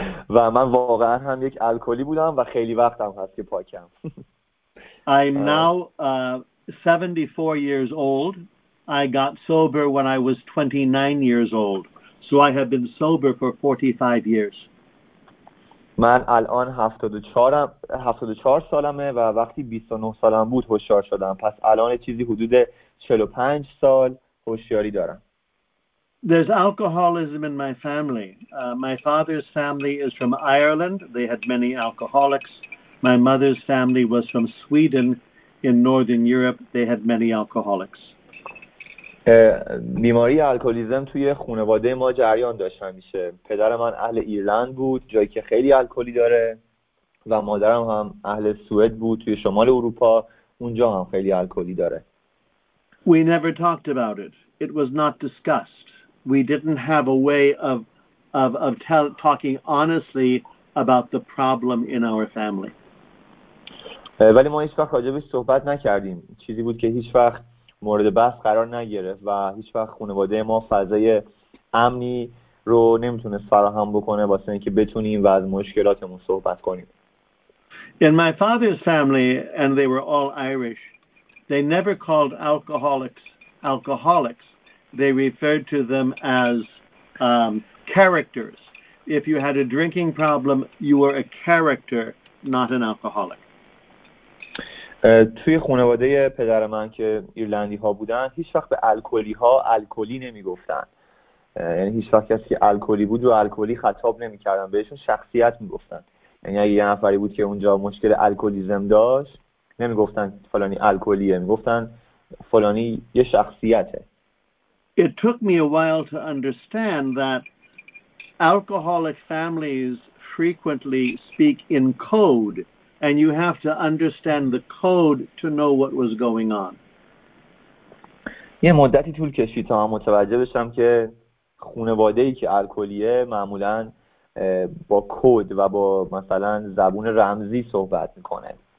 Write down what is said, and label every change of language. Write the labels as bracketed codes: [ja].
[fa] و من واقعا هم یک الکلی بودم و خیلی وقتم هست که پاکم. [en] I'm now 74 years old. I got sober when I was 29 years old. So I have been sober for 45 years. [fa] من الان 74 سالمه و وقتی 29 سالم بود هوشیار شدم. پس الان چیزی حدود 45 سال هوشیاری دارم. [en] There's alcoholism in my family. My father's family is from Ireland. They had many alcoholics. My mother's family was from Sweden. In Northern Europe, they had many alcoholics. [fa] بیماری الکلیزم توی خانواده ما جریان داشت همیشه. پدر من اهل ایرلند بود، جایی که خیلی الکلی داره، و مادرم هم اهل سوئد بود توی شمال اروپا، اونجا هم خیلی الکلی داره. [en] We never talked about it. It was not discussed. We didn't have a way of talking honestly about the problem in our family. [fa] ولی ما هیچ وقت راجبش صحبت نکردیم. چیزی بود که هیچ وقت مورد بحث قرار نگرفت و هیچ وقت خانواده ما فضای امنی رو نمیتونست فراهم بکنه واسه اینکه بتونیم و از مشکلاتمون صحبت کنیم. [en] In my father's family, and they were all Irish, they never called alcoholics alcoholics. They referred to them as characters. If you had a drinking problem, you were a character, not an alcoholic. [fa] توی خانواده پدر من که ایرلندی ها بودن، هیچ وقت به الکلی ها الکلی نمی گفتن. یعنی هیچ وقت کسی که الکلی بود و الکلی خطاب نمی کردن، بهشون شخصیت می گفتن. یعنی اگه یه نفری بود که اونجا مشکل الکلیزم داشت، نمی گفتن فلانی الکلیه، می گفتن فلانی یه شخصیته. [en] It took me a while to understand that alcoholic families frequently speak in code. And you have to understand the code to know what was going on. [fa] یه مدتی طول کشید تا من متوجه بشم که خانواده‌ای که الکلیه معمولاً با کد و با مثلا زبون رمزی صحبت می‌کنه.